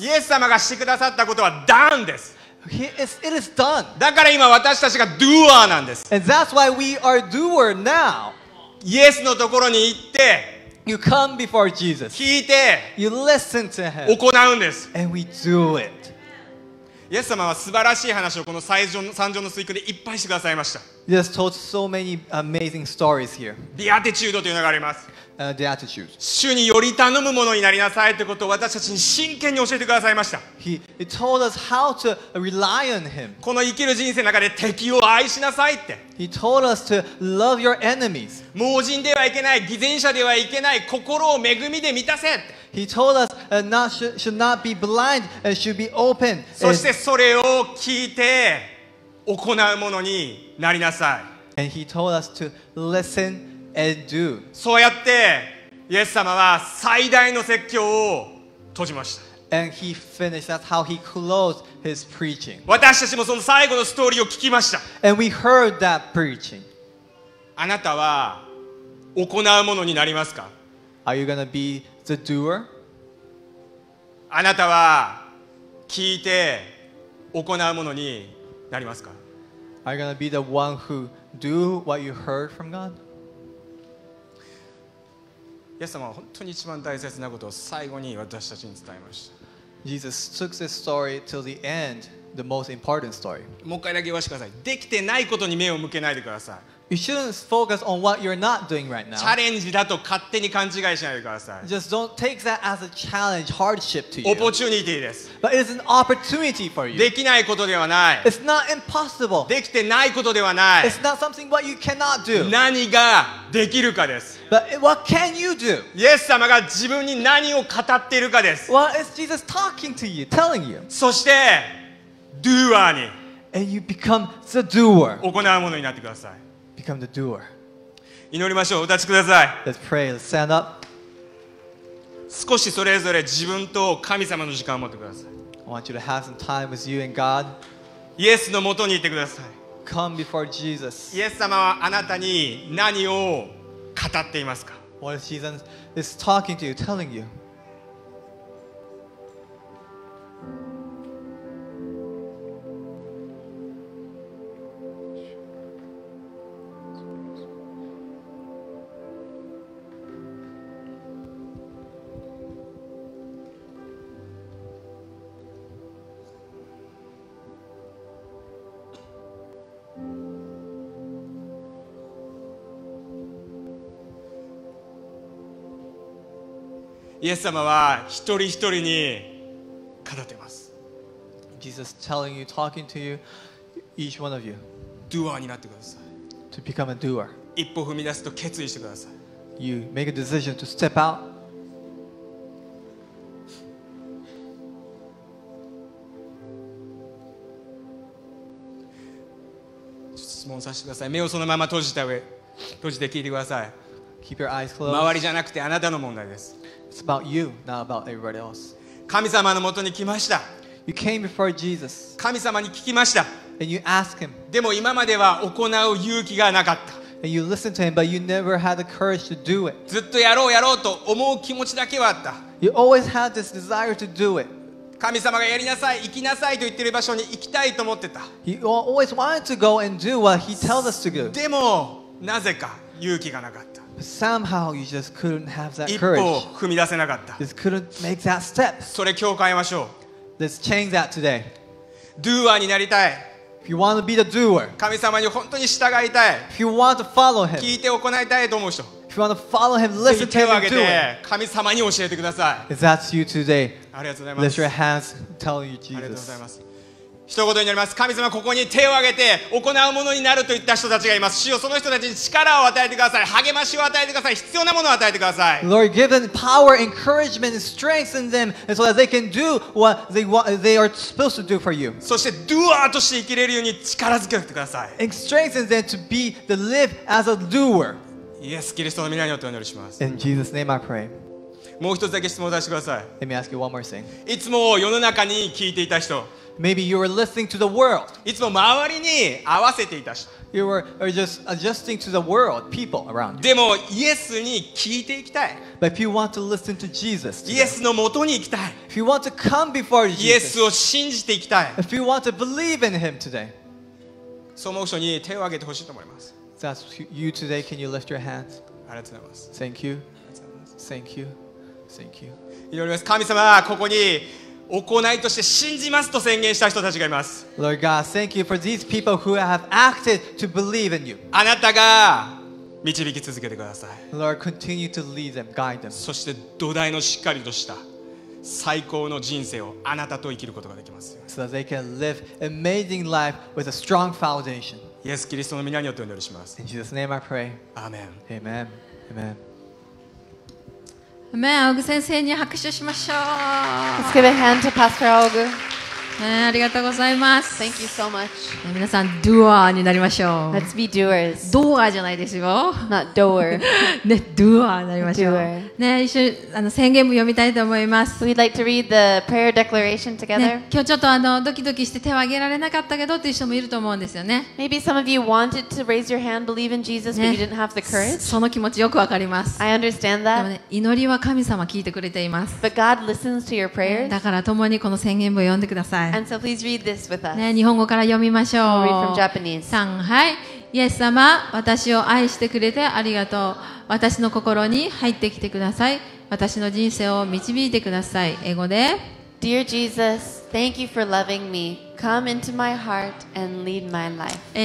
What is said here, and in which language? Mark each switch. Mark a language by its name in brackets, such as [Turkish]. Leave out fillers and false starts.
[Japanese] イエス様がしてくださったことは done です。 [English] It is done. [Japanese] だから今私たちが doer なんです。 [English] And that's why we are doer now. [Japanese] イエスのところに行って、 [English] You come before Jesus. [Japanese] 聞いて、 [English] You listen to him. [Japanese] 行うんです。 [English] And we do it. [Japanese] イエス様は素晴らしい話をこの三条の水訓でいっぱいしてくださいました。 [English] Jesus told so many amazing stories here. [Japanese] Beatitude というのがあります。 [English] Beatitude. [Japanese] 主により頼むものになりなさいということを私たちに真剣に教えてくださいました。 [English] He told us how to rely on him. [Japanese] この生きる人生の中で敵を愛しなさいって。 [English] He told us to love your enemies. [Japanese] 盲人ではいけない、偽善者ではいけない、心を恵みで満たせって。 [English] He told us should not be blind and should be open. [Japanese] そしてそれを聞いて行うものになりなさい。 [English] And he told us to listen and do. [Japanese] そうやってイエス様は最大の説教を閉じました。 [English] And he finished. That's how he closed his preaching. [Japanese] 私たちもその最後のストーリーを聞きました。 [English] And we heard that preaching. [Japanese] あなたは行うものになりますか？ [English] Are you gonna be the doer? [Japanese] あなたは聞いて行うものになりますか？ [English] Are you gonna be the one who do what you heard from God? [Japanese] イエス様は本当に一番大切なことを最後に私たちに伝えました。 [English] Jesus took this story till the end, the most important story. [Japanese] もう一回だけ言わせてください。できてないことに目を向けないでください。 [English] You shouldn't focus on what you're not doing right now. [Japanese] チャレンジだと勝手に勘違いしないでください。 [English] Just don't take that as a challenge, hardship to you. [Japanese] オポチュニティです。 [English] But it's an opportunity for you. [Japanese] できないことではない。 [English] It's not impossible. [Japanese] できてないことではない。 [English] It's not something what you cannot do. [Japanese] 何ができるかです。 [English] But what can you do? [Japanese] イエス様が自分に何を語っているかです。 [English] What is Jesus talking to you, telling you? [Japanese] そして、doer に。 [English] And you become the doer. [Japanese] 行うものになってください。 [English] Become the doer. [Japanese] 祈りましょう。お立ちください。 [English] Let's pray. Let's stand up. [Japanese] 少しそれぞれ自分と神様の時間を持ってください。 [English] I want you to have some time with you and God. [Japanese] イエスの元に行ってください。 [English] Come before Jesus. [Japanese] イエス様はあなたに何を語っていますか？ [English] What is Jesus is talking to you, telling you? [Japanese] イエス様は一人一人に語っています。 [English] Jesus telling you, talking to you, each one of you. [Japanese] Doer になってください。 [English] To become a doer. [Japanese] 一歩踏み出すと決意してください。 [English] You make a decision to step out. [Japanese] ちょっと質問させてください。目をそのまま閉じた上、閉じて聞いてください。 [English] Keep your eyes closed. [Japanese] 周りじゃなくてあなたの問題です。 [English] It's about you, not about everybody else. [Japanese] 神様のもとに来ました。 [English] You came before Jesus. [Japanese] 神様に聞きました。 [English] And you asked him. [Japanese] でも今までは行う勇気がなかった。 [English] And you listened to him, but you never had the courage to do it. [Japanese] ずっとやろうやろうと思う気持ちだけはあった。 [English] You always had this desire to do it. [Japanese] 神様がやりなさい、行きなさいと言ってる場所に行きたいと思ってた。 [English] You always wanted to go and do what he tells us to do. [Japanese] でもなぜか勇気がなかった。 [English] But somehow you just couldn't have that courage. [Japanese] 一歩踏み出せなかった。 [English] Just couldn't make that step. [Japanese] それ今日変えましょう。 [English] Let's change that today. [Japanese] Doer になりたい。 [English] If you want to be the doer. [Japanese] 神様に本当に従いたい。 [English] If you want to follow him. [Japanese] 聞いて行いたいと思う人。 [English] If you want to follow him, listen to him and do it. [Japanese] 神様に教えてください。 [English] If that's you today. [Japanese] ありがとうございます。 [English] Lift your hands, tell you Jesus. [Japanese] ありがとうございます。一言になります。神様、ここに手を挙げて行うものになると言った人たちがいます。主よ、その人たちに力を与えてください。励ましを与えてください。必要なものを与えてください。 [English] Lord, give them power, encouragement, and strength in them so that they can do what they are supposed to do for you. [Japanese] そしてドゥアーとして生きれるように力づけてください。 [English] And strengthen them to be the live as a doer. [Japanese] イエス・キリストの御名によってお祈りします。 [English] In Jesus' name I pray. [Japanese] もう一つだけ質問を出してください。 [English] Let me ask you one more thing. [Japanese] いつも世の中に聞いていた人。 [English] Maybe you were listening to the world. [Japanese] いつも周りに合わせていた人。 [English] You were just adjusting to the world, people around you. [Japanese] でもイエスに聞いていきたい。 [English] But if you want to listen to Jesus, [Japanese] イエスの元に行きたい。 [English] If you want to come before Jesus, [Japanese] イエスを信じていきたい。 [English] If you want to believe in Him today, [Japanese] そう思う人に手を挙げてほしいと思います。 [English] That's you today. Can you lift your hands? [Japanese] ありがとうございます。 [English] Thank you. Thank you. Thank you. [Japanese] 祈ります。神様、ここに行いとして信じますと宣言した人たちがいます。 [English] Lord God, thank you for these people who have acted to believe in you. [Japanese] あなたが導き続けてください。 [English] Lord, continue to lead them, guide them. [Japanese] そして土台のしっかりとした最高の人生をあなたと生きることができます。 [English] So that they can live amazing life with a strong foundation. [Japanese] イエス・キリストの御名によってお祈りします。 [English] In Jesus' name I pray. Amen. Amen. Amen. [Japanese] アメン。オグ先生に拍手しましょう。 [English] Let's give a hand to Pastor Og. [Japanese] ありがとうございます。 [English] Thank you so much. [Japanese] 皆さん、ドゥアーになりましょう。 [English] Let's be doers. [Japanese] ドゥアーじゃないですよ。 [English] Not doer. [Japanese] ね、ドゥアーになりましょう。 [English] Doer. [Japanese] ね、一緒に宣言文読みたいと思います。 [English] We'd like to read the prayer declaration together. [Japanese] ね、今日ちょっとドキドキして手を挙げられなかったけどっていう人もいると思うんですよね。 [English] Maybe some of you wanted to raise your hand, believe in Jesus, but you didn't have the courage. [Japanese] その気持ちよくわかります。 [English] I understand that. [Japanese] でもね、祈りは神様聞いてくれています。 [English] But God listens to your prayers. [Japanese] だから共にこの宣言文を読んでください。 [English] And so please read this with us. [Japanese] ね、日本語から読みましょう。 [English] We'll read from Japanese. [Japanese] さん、はい。イエス様、私を愛してくれてありがとう。私の心に入ってきてください。私の人生を導いてください。英語で。 [English] Dear Jesus, thank you for loving me. Come into my heart and lead my life.